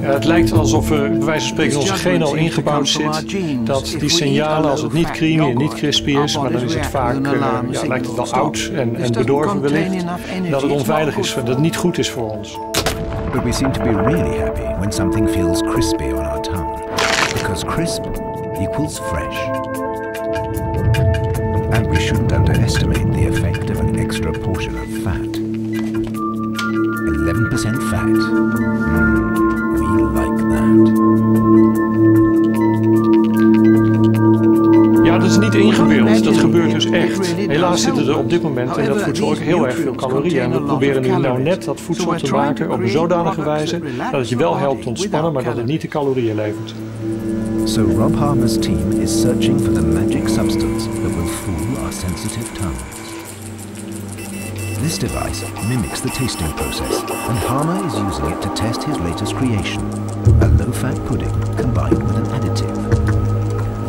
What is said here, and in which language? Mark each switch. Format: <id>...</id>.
<nl>Ja, het lijkt alsof er bij wijze van spreken onze genen al ingebouwd zit. Dat die signalen, als het niet creamy en niet crispy is, maar dan is het vaak, lijkt het wel oud en bedorven wellicht. Dat het onveilig is, dat het niet goed is voor ons.</nl> <en>But we seem to be really happy when something feels crispy on our tongue. Because crisp equals fresh. And we shouldn't underestimate the effect of an extra portion of fat. 11% fat. We like that.</en> <nl>Ja, dat is niet ingebeeld. Dat gebeurt dus echt. Helaas zitten er op dit moment in dat voedsel ook heel erg veel calorieën. En we proberen nu nou net dat voedsel te maken op een zodanige wijze dat het je wel helpt ontspannen, maar dat het niet de calorieën levert.</nl> <en>So Rob Harmer's team is searching for the magic substance that will fool our sensitive tongue. This device mimics the tasting process, and Harmer is using it to test his latest creation, a low-fat pudding combined with an additive.</en>